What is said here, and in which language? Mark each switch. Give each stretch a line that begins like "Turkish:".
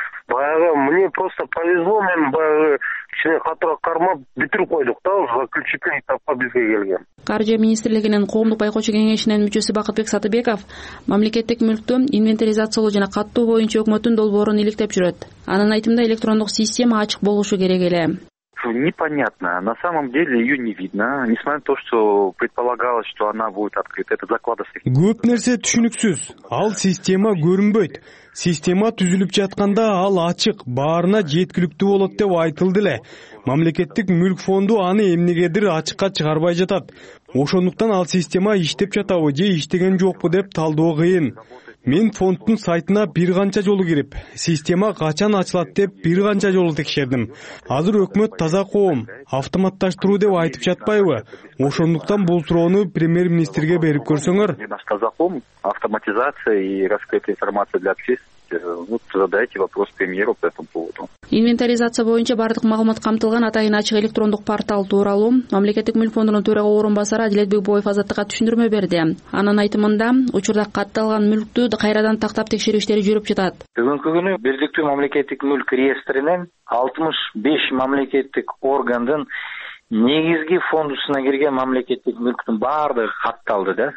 Kyrgyz: Баягы мне просто повезло, мен баягы кичине катыра кармап бүтүрүп койдук да, заключительный этапка бизге келген. Каржы министрлигинин коомдук байкоочу кеңешинин мүчөсү Бакытбек Сатыбеков мамлекеттик мүлктү инвентаризациялоо жана каттоо боюнча өкмөттүн долбоорун иликтеп жүрөт. Анын айтымында электрондук система ачык болушу керек эле.
Russian: Непонятно. На самом деле ее не видно, несмотря на то, что предполагалось, что она будет открыта. Это заклада секрета.
Kyrgyz: Көп нерсе түшүнүксүз. Ал система көрүнбөйт. Система түзүлүп жатканда ал ачык, баарына жеткиликтүү болот деп айтылды эле. Мамлекеттик мүлк фонду аны эмнегедир ачыкка чыгарбай жатат. Ошондуктан ал система иштеп жатабы же иштеген жокпу деп талдоо кыйын. Мен фонддун сайтына бир канча жолу кирип, система качан ачылат деп бир канча жолу текшердим. Азыр өкмөт таза коом, автоматташтыруу деп айтып жатпайбы? Ошондуктан бул суроону премьер-министрге берип көрсөңөр.
Russian: Таза коом, автоматизация и раскрытие информации для общественности. Задайте вопрос премьеру по этому поводу.
Kyrgyz: Инвентаризация боюнча бардык маалымат камтылган атайын ачык электрондук портал тууралуу мамлекеттик мүлк фондунун төрага орун басары Адилет Бекбоев Азаттыкка түшүндүрмө берди. Анын айтымында учурда катталган мүлктү кайрадан тактап текшерүү иштери жүрүп жатат. Бүгүнкү күнү бирдиктүү мамлекеттик мүлк реестринен 65 мамлекеттик органдын негизги фондусуна кирген мамлекеттик мүлктүн баардыгы катталды да.